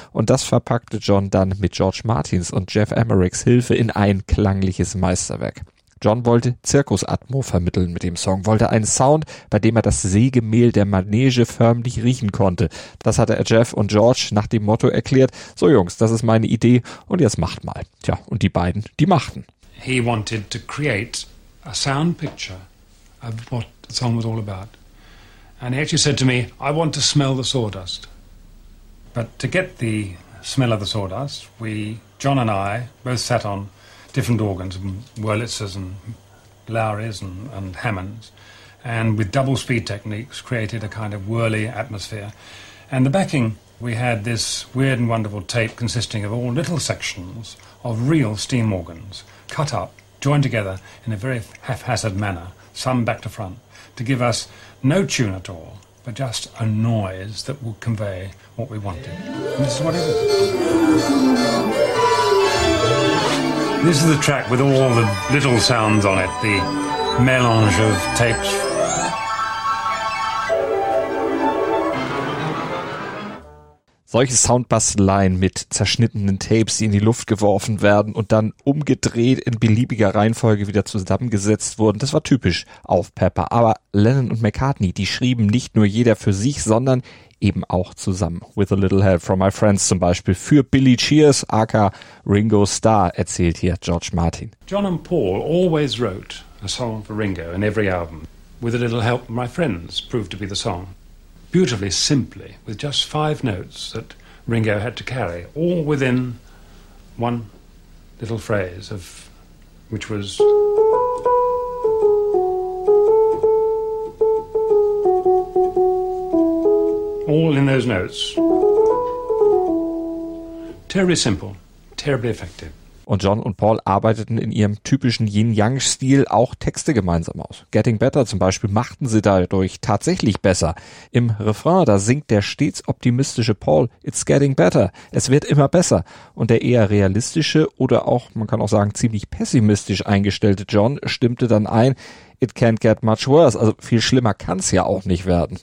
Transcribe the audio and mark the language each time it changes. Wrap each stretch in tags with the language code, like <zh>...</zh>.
<de>Und das verpackte John dann mit George Martins und Jeff Emmericks Hilfe in ein klangliches Meisterwerk. John wollte Zirkusatmo vermitteln mit dem Song, wollte einen Sound, bei dem er das Sägemehl der Manege förmlich riechen konnte. Das hatte er Jeff und George nach dem Motto erklärt, so Jungs, das ist meine Idee und jetzt macht mal. Tja, und die beiden, die machten.</de> <en>He wanted to create a sound picture of what the song was all about. And he actually said to me, I want to smell the sawdust. But to get the smell of the sawdust, we, John and I, both sat on different organs, Wurlitzers and Lowry's and Hammond's, and with double speed techniques created a kind of whirly atmosphere. And the backing, we had this weird and wonderful tape consisting of all little sections of real steam organs, cut up, joined together in a very haphazard manner, some back to front, to give us no tune at all, but just a noise that would convey what we wanted. And this is what it is. This is the track with all the little sounds on it, the melange of tapes.</en> <de>Solche Soundbasteleien mit zerschnittenen Tapes, die in die Luft geworfen werden und dann umgedreht in beliebiger Reihenfolge wieder zusammengesetzt wurden, das war typisch auf Pepper. Aber Lennon und McCartney, die schrieben nicht nur jeder für sich, sondern eben auch zusammen. With a little help from my friends zum Beispiel für Billy Cheers, aka Ringo Starr, erzählt hier George Martin.</de> <en>John and Paul always wrote a song for Ringo in every album. With a little help from my friends proved to be the song. Beautifully, simply, with just five notes that Ringo had to carry, all within one little phrase of which was. All in those notes. Terribly simple, terribly effective.</en> <de>Und John und Paul arbeiteten in ihrem typischen Yin-Yang-Stil auch Texte gemeinsam aus. Getting Better zum Beispiel machten sie dadurch tatsächlich besser. Im Refrain, da singt der stets optimistische Paul,</de> <en>it's getting better,</en> <de>es wird immer besser. Und der eher realistische oder auch, man kann auch sagen, ziemlich pessimistisch eingestellte John stimmte dann ein,</de> <en>it can't get much worse,</en> <de>also viel schlimmer kann's ja auch nicht werden.</de>